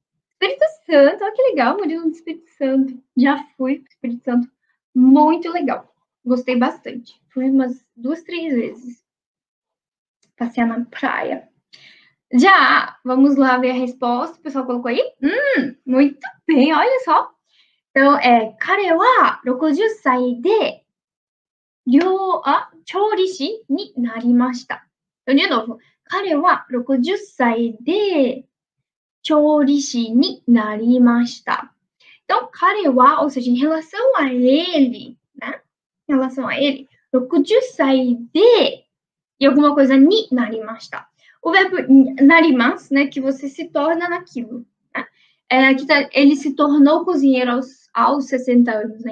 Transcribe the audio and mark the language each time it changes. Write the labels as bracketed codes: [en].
[pt] Espírito Santo, olha que legal, Murilo do Espírito Santo. Já fui pro Espírito Santo. Muito legal. Gostei bastante. Fui umas duas, três vezes. Passear na praia. Já, vamos lá ver a resposta. O pessoal colocou aí? Muito bem, olha só. Então, é. [ja] 彼は60歳で、調理師になりました。 [pt] Então, de novo. [ja] 彼は60歳で、調理師になりました。 [pt] Então, 彼は、ou seja, em relação a ele, né? Em relação a ele, [ja] 60歳で、 [pt] e alguma coisa [ja] になりました。 [pt] O verbo なります、né? Que você se torna naquilo, né? É, aqui tá, ele se tornou cozinheiro aos 60 anos, né?